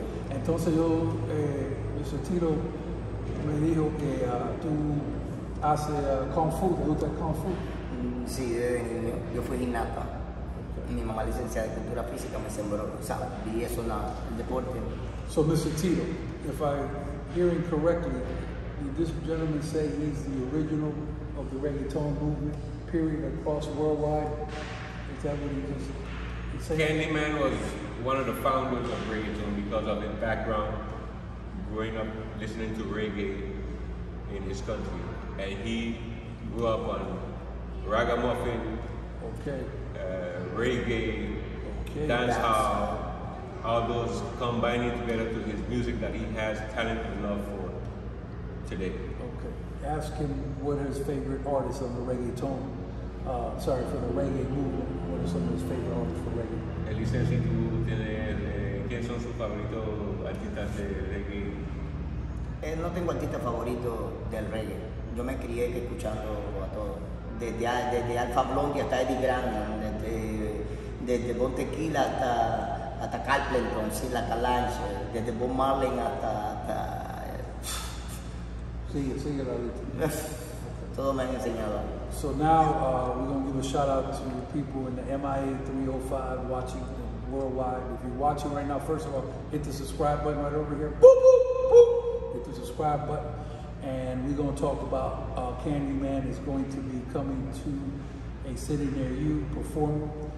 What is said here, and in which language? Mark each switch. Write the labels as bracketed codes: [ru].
[es] Entonces yo, ese tiro... Me dijo que tú haces Kung Fu, ¿te gusta el Kung Fu? Sí, desde niño. Yo fui gimnasta. Okay. Mi mamá licenciada de cultura física me sembró, o sea, vi eso en el deporte. [en] So, Mr. Tito, if I'm hearing correctly, did this gentleman say he's the original of the reggaeton movement, period, across worldwide? Is that what he just said? Kandyman was one of the founders of reggaeton because of his background. Growing up listening to reggae in his country, and he grew up on ragamuffin, okay, reggae, okay, dancehall, all those combining together to his music that he has talent and love for today. Okay, ask him what his favorite artist of the reggaeton, for the reggae movement, what are some of his favorite artists for reggae? [es] El licenciado tiene ¿quién son sus favoritos artistas de reggae? No tengo artista favorito del reggae. Yo me crié escuchando a todos. Desde Alfa Blondie hasta Eddie Grande, desde Bon Tequila hasta Carpenter, Silla Kalash, desde Bob Marley hasta... Sigue la lista. Todo me han enseñado. [en] So now we're going to give a shout out to the people in the MIA 305 watching worldwide. If you're watching right now, first of all, hit the subscribe button right over here. Boop, boop. Subscribe button, and we're going to talk about Kandyman is going to be coming to a city near you performing.